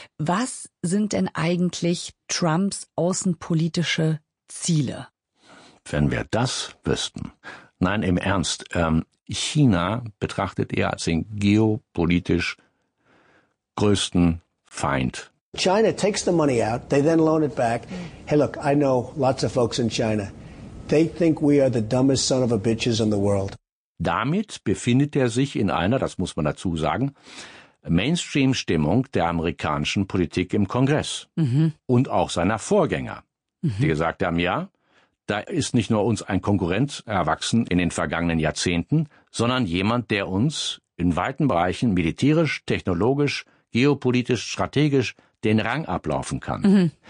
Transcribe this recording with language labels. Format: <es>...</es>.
<de>Was sind denn eigentlich Trumps außenpolitische Ziele? Wenn wir das wüssten. Nein, im Ernst, China betrachtet er als den geopolitisch größten Feind.</de> <en>China takes the money out, they then loan it back. Hey, look, I know lots of folks in China. They think we are the dumbest son of a bitches in the world.</en> <de>Damit befindet er sich in einer, das muss man dazu sagen, Mainstream-Stimmung der amerikanischen Politik im Kongress. Und auch seiner Vorgänger, die gesagt haben, ja, da ist nicht nur uns ein Konkurrent erwachsen in den vergangenen Jahrzehnten, sondern jemand, der uns in weiten Bereichen militärisch, technologisch, geopolitisch, strategisch den Rang ablaufen kann.</de>